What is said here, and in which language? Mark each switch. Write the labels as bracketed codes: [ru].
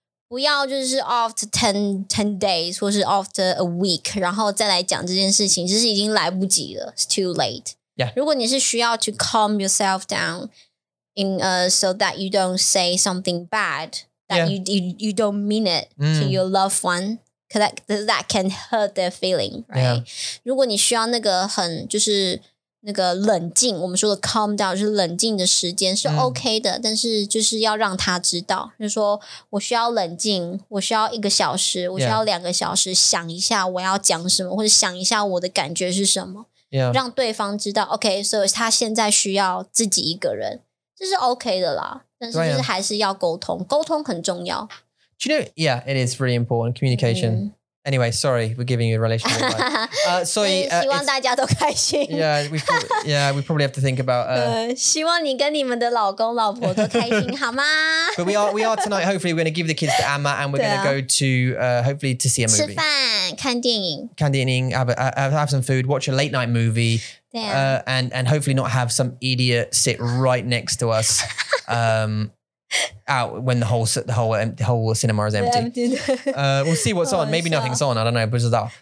[zh] 不要就是 [en] after 10 days [zh] 或是 [en] after a week [zh] 然后再来讲这件事情，这是已经来不及了。 [en] It's too late. Yeah. [zh] 如果你是需要 [en] to calm yourself down in, so that you don't say something bad, that you don't mean it to your loved one, because that can hurt their feeling, right? Yeah. [zh] 如果你需要那个很就是那个冷静，我们说的 calm down 就是冷静的时间是 OK 的，但是就是要让他知道，就是说我需要冷静，我需要一个小时，我需要两个小时想一下我要讲什么，或者想一下我的感觉是什么，让对方知道 OK， 所以他现在需要自己一个人，这是 OK 的啦，但是就是还是要沟通，沟通很重要。 [en] Do you know, yeah, it is really important, communication. Anyway, sorry, we're giving you a relational advice. [zh] 所以希望大家都开心。 [en] Yeah, we probably have to think about... [zh] 希望你跟你们的老公老婆都开心好吗？ [en] But we are tonight, hopefully, we're going to give the kids to Emma and we're going to go to, hopefully, to see a movie. [zh] 吃饭，看电影。看电影， [en] have some food, watch a late night movie. Yeah. And hopefully not have some idiot sit right next to us. out when the whole cinema is empty. We'll see what's on. Maybe nothing's on. I don't know. [zh] 不知道。